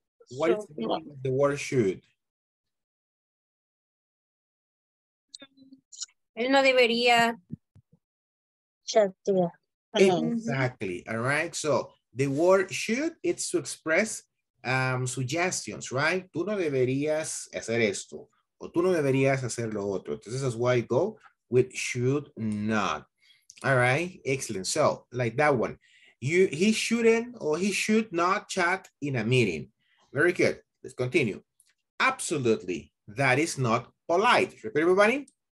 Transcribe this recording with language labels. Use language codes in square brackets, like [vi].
[en] What is the meaning of the word should? [es] Él no debería chatear. [en] Exactly, all right? So the word should, it's to express suggestions, right? [es] Tú no deberías hacer esto, o tú no deberías hacer lo otro. [en] This is why I go with should not. All right, excellent. So, like that one. He should not chat in a meeting. Very good. Let's continue. Absolutely, that is not polite. Repeat, everybody.